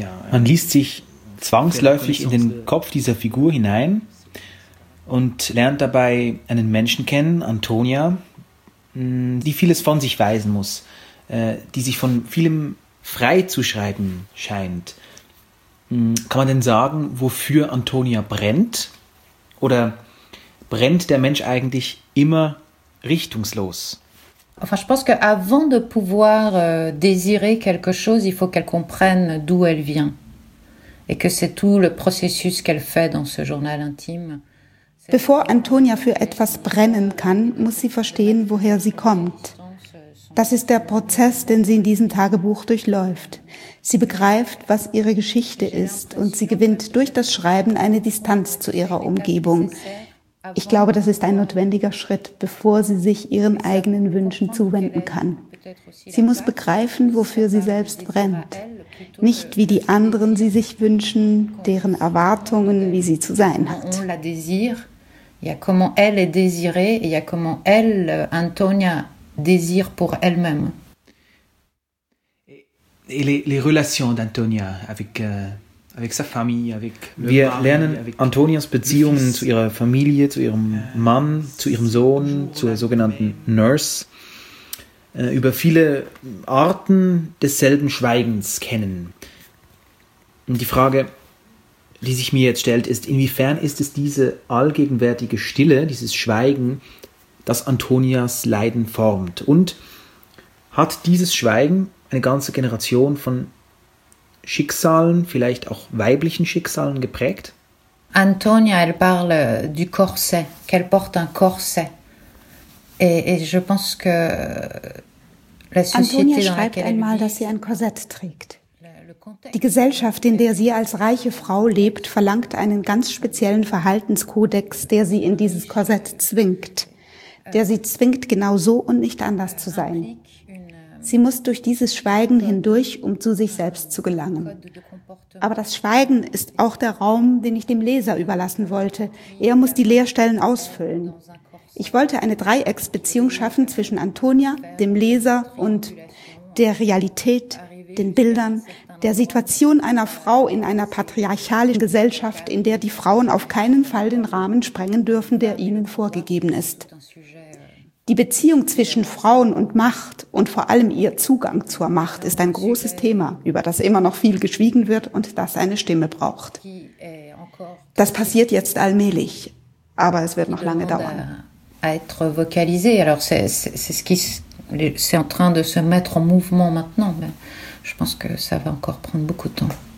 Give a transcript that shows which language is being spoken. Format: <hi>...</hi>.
<de>Man liest sich zwangsläufig in den Kopf dieser Figur hinein und lernt dabei einen Menschen kennen, Antonia, die vieles von sich weisen muss, die sich von vielem frei zu schreiben scheint. Kann man denn sagen, wofür Antonia brennt? Oder brennt der Mensch eigentlich immer richtungslos?</de> <fr>Enfin, je pense que avant de pouvoir désirer quelque chose, il faut qu'elle comprenne d'où elle vient. Et que c'est tout le processus qu'elle fait dans ce journal intime.</fr> <de>Bevor Antonia für etwas brennen kann, muss sie verstehen, woher sie kommt. Das ist der Prozess, den sie in diesem Tagebuch durchläuft. Sie begreift, was ihre Geschichte ist, und sie gewinnt durch das Schreiben eine Distanz zu ihrer Umgebung. Ich glaube, das ist ein notwendiger Schritt, bevor sie sich ihren eigenen Wünschen zuwenden kann. Sie muss begreifen, wofür sie selbst brennt. Nicht wie die anderen sie sich wünschen, deren Erwartungen, wie sie zu sein hat.</de> <fr>On la désire, il y a comment elle est désirée et il y a comment elle, Antonia, désire pour elle-même. Et les relations d'Antonia avec avec sa famille, avec</fr> <de>Wir lernen Antonias Beziehungen zu ihrer Familie, zu ihrem Mann, zu ihrem Sohn, zur sogenannten Nurse. Über viele Arten desselben Schweigens kennen. Und die Frage, die sich mir jetzt stellt, ist, inwiefern ist es diese allgegenwärtige Stille, dieses Schweigen, das Antonias Leiden formt? Und hat dieses Schweigen eine ganze Generation von Schicksalen, vielleicht auch weiblichen Schicksalen, geprägt?</de> <fr>Antonia, elle parle du corset, qu'elle porte un corset. Et je pense que la société</fr> <de>Antonia schreibt einmal, dass sie ein Korsett trägt. Die Gesellschaft, in der sie als reiche Frau lebt, verlangt einen ganz speziellen Verhaltenskodex, der sie in dieses Korsett zwingt. Der sie zwingt, genau so und nicht anders zu sein. Sie muss durch dieses Schweigen hindurch, um zu sich selbst zu gelangen. Aber das Schweigen ist auch der Raum, den ich dem Leser überlassen wollte. Er muss die Leerstellen ausfüllen. Ich wollte eine Dreiecksbeziehung schaffen zwischen Antonia, dem Leser und der Realität, den Bildern, der Situation einer Frau in einer patriarchalischen Gesellschaft, in der die Frauen auf keinen Fall den Rahmen sprengen dürfen, der ihnen vorgegeben ist. Die Beziehung zwischen Frauen und Macht und vor allem ihr Zugang zur Macht ist ein großes Thema, über das immer noch viel geschwiegen wird und das eine Stimme braucht. Das passiert jetzt allmählich, aber es wird noch lange dauern.</de> <fr>À être vocalisé. Alors c'est ce qui c'est en train de se mettre en mouvement maintenant, mais je pense que ça va encore prendre beaucoup de temps.</fr>